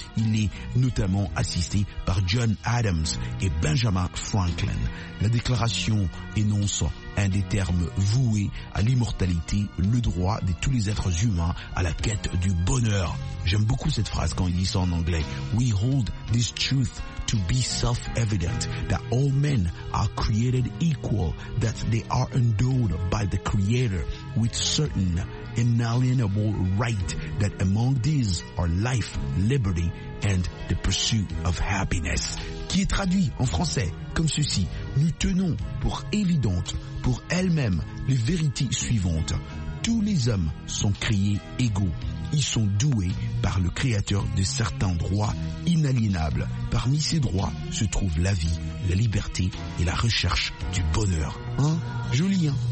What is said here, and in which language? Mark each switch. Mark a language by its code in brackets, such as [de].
[fr] Il est notamment assisté par John Adams et Benjamin Franklin. La déclaration énonce un des termes voués à l'immortalité, le droit de tous les êtres humains à la quête du bonheur. J'aime beaucoup cette phrase quand il dit ça en anglais. [en] We hold this truth to be self-evident, that all men are created equal, that they are endowed by the Creator with certain inalienable rights, that among these are life, liberty, and the pursuit of happiness. [fr] Qui est traduit en français comme ceci. Nous tenons pour évidentes, pour elles-mêmes, les vérités suivantes. Tous les hommes sont créés égaux. Ils sont doués par le Créateur de certains droits inaliénables. Parmi ces droits se trouvent la vie, la liberté et la recherche du bonheur. Hein? Joli, hein?